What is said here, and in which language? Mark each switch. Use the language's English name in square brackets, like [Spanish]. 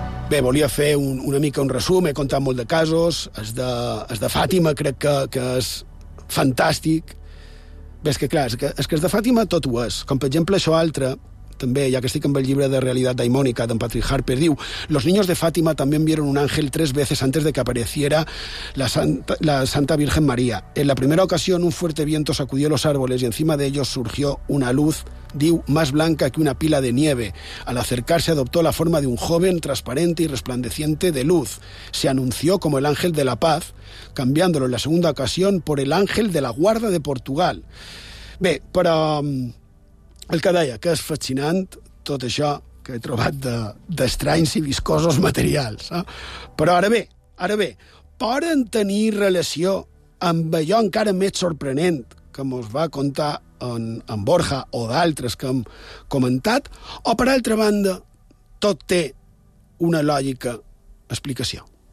[Catalan] Bé, volia fer una mica un resum, he contat molt de casos, és de Fàtima, crec que és fantàstic. Bé, és que clar, és que és de Fàtima tot ho és. Com per exemple això altre, també, ja que estic amb el llibre de Realitat Daimònica d'en Patrick Harper, diu: [Spanish] los niños de Fátima también vieron un ángel tres veces antes de que apareciera la Santa Virgen María. En la primera ocasión un fuerte viento sacudió los árboles y encima de ellos surgió una luz, diu, más blanca que una pila de nieve. Al acercarse adoptó la forma de un joven transparente y resplandeciente de luz. Se anunció como el ángel de la paz, cambiándolo en la segunda ocasión por el ángel de la guarda de Portugal. [Catalan] Bé, però... El que deia, que és fascinant tot això que he trobat d'estranys i viscosos materials. Eh? Però ara bé, poden tenir relació amb allò encara més sorprenent que mos va contar en Borja o d'altres que hem comentat, o per altra banda, tot té una lògica explicació.